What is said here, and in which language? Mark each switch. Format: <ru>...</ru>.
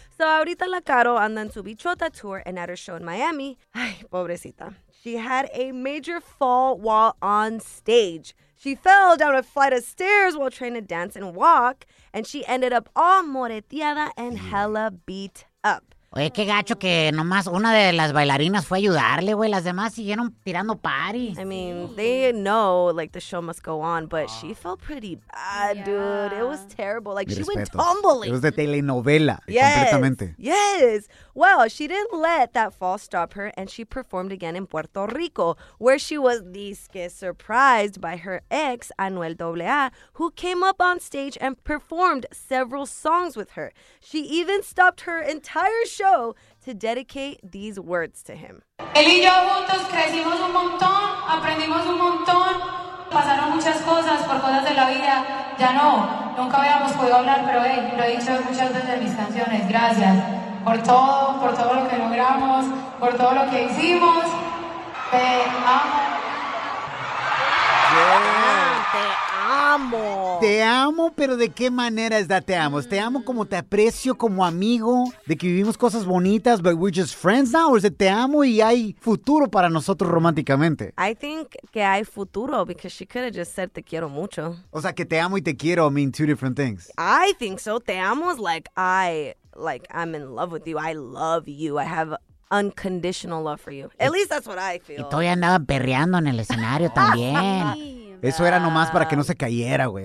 <en>So,</en> <es>ahorita la Karol anda en su bichota</es> <en>tour and at her show in Miami.</en> <es>Ay, pobrecita.</es> <en>She had a major fall while on stage. She fell down a flight of stairs while trying to dance and walk, and she ended up all moreteada and hella beat up.</en> <es>Oye, qué gacho que nomás una de las bailarinas fue a ayudarle, güey. Las demás siguieron tirando party.</es> <en>I mean, they know, like, the show must go on, but she felt pretty bad, dude. It was terrible. Like, she went tumbling. It was</en> <es>de telenovela, completamente.</es> <en>Yes. Well, she didn't let that fall stop her, and she performed again in Puerto Rico, where she was disque surprised by her ex, Anuel AA, who came up on stage and performed several songs with her. She even stopped her entire show to dedicate these words to him.</en> <es>Él y yo juntos crecimos un montón, aprendimos un montón, pasaron muchas cosas por cosas de la vida. Ya no, nunca habíamos podido hablar, pero hey, lo he dicho muchas veces en mis canciones. Gracias por todo lo que logramos, por todo lo que hicimos. Te amo. Amo. Te amo, pero ¿de qué manera es</es> <en>that</en> <es>te amo? Te amo como te aprecio, como amigo, de que vivimos cosas bonitas,</es> <en>but we're just friends now, or is it</en> <es>te amo y hay futuro para nosotros románticamente?</es> <en>I think</en> <es>que hay futuro,</es> <en>because she could have just said</en> <es>te quiero mucho. O sea, que te amo y te quiero</es> <en>mean two different things. I think so. Te amo is like, I'm in love with you. I love you. I have unconditional love for you. At least that's what I feel.</en> <es>Y todavía andaba perreando en el escenario también. Eso era nomás para que no se cayera, güey.</es>